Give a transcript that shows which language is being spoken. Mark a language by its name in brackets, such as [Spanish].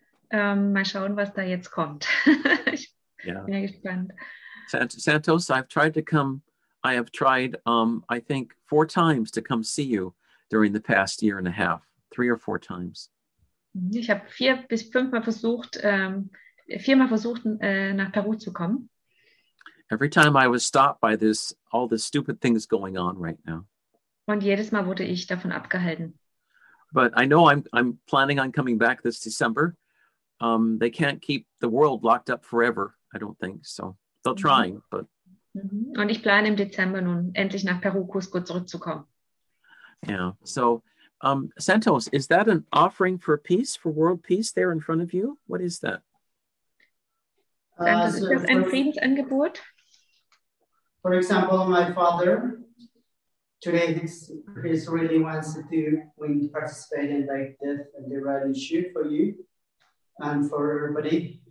[German] Mal schauen, was da jetzt kommt. Ich bin ja gespannt. [English] Santos, I've tried to come, I have tried, I think, 4 times to come see you during the past year and a half. 3 or 4 times. [German] Ich habe 4 bis 5 Mal versucht, 4 Mal versucht, nach Peru zu kommen. [English] Every time I was stopped by this, all the stupid things going on right now. [German] Und jedes Mal wurde ich davon abgehalten. [English] But I know I'm planning on coming back this December. They can't keep the world locked up forever, I don't think. So they're trying, but. [German] Und ich plane im Dezember nun, endlich nach Peru, Cusco zurückzukommen. [English] Yeah, so. Santos, is that an offering for peace, for world peace there in front of you? What is that? Santos, is that a Friedensangebot? For example, my father, today he's really wants to participate in like death and the right issue for you and for everybody.